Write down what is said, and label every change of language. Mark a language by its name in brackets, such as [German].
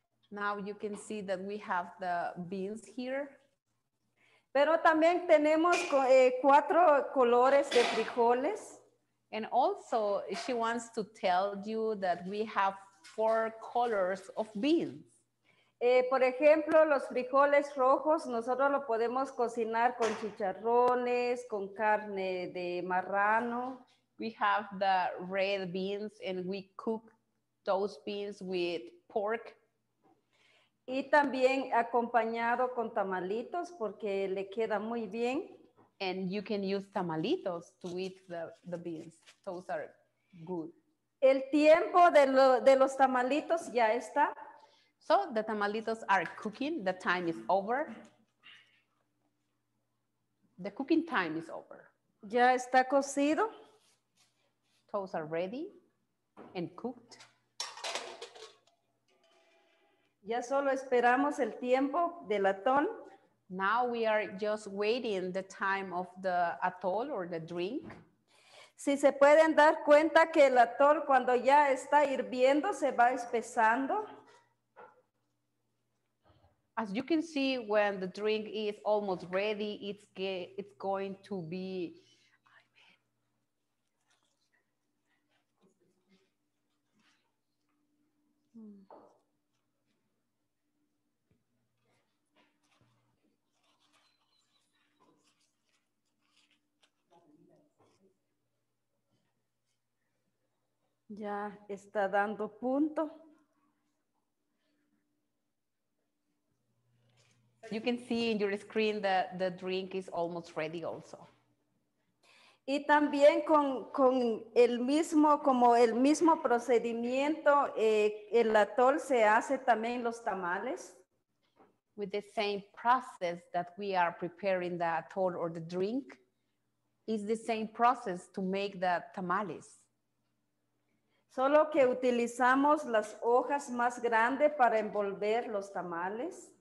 [English] Now you can see that we have the beans here. [Spanish] Pero también tenemos cuatro colores de frijoles. [English] And also she wants to tell you that we have four colors of beans. [Spanish] Por ejemplo, los frijoles rojos, nosotros lo podemos cocinar con chicharrones, con carne de marrano. [English] We have the red beans and we cook those beans with pork. [Spanish] Y también acompañado con tamalitos porque le queda muy bien. [English] And you can use tamalitos to eat the beans. Those are good. [Spanish] El tiempo de los tamalitos ya está. [English] So the tamalitos are cooking. The time is over. The cooking time is over. [Spanish] Ya está cocido. [English] Toast are ready and cooked. [Spanish] Ya solo esperamos el tiempo del atol. [English] Now we are just waiting the time of the atol or the drink. [Spanish] Si se pueden dar cuenta que el atol cuando ya está hirviendo se va espesando. [English] As you can see, when the drink is almost ready, it's going to be... [Spanish] Ya está dando punto. [English] You can see in your screen that the drink is almost ready also. [Spanish] Y también con el mismo procedimiento, el atol se hace también los tamales. [English] With the same process that we are preparing the atol or the drink, is the same process to make the tamales. [Spanish] Solo que utilizamos las hojas más grandes para envolver los tamales.